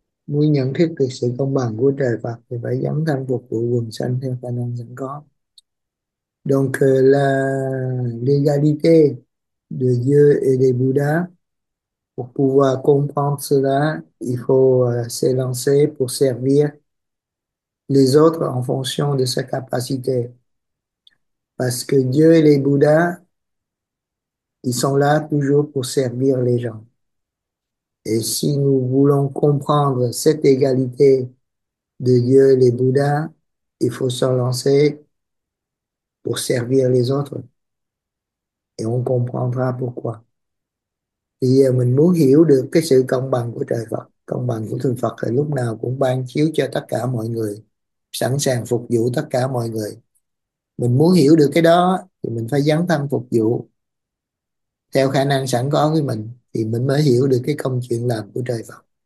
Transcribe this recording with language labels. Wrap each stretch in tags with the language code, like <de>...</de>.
<vi>Muốn nhận thức được sự công bằng của trời Phật thì phải dấn thân phục vụ quần sanh theo khả năng sẵn có.</vi> <fr>Donc, l'égalité de Dieu et des Bouddhas, pour pouvoir comprendre cela, il faut s'élancer pour servir les autres en fonction de sa capacité. Parce que Dieu et les Bouddhas, ils sont là toujours pour servir les gens. Et si nous voulons comprendre cette égalité de Dieu et les Bouddhas, il faut se lancer pour servir les autres. Et on comprendra pourquoi.</fr> <vi>Thì mình muốn hiểu được cái sự công bằng của trời Phật. Công bằng của thượng Phật thì lúc nào cũng ban chiếu cho tất cả mọi người, sẵn sàng phục vụ tất cả mọi người. Mình muốn hiểu được cái đó thì mình phải dấn thân phục vụ theo khả năng sẵn có của mình, thì mình mới hiểu được cái công chuyện làm của trời Phật.</vi>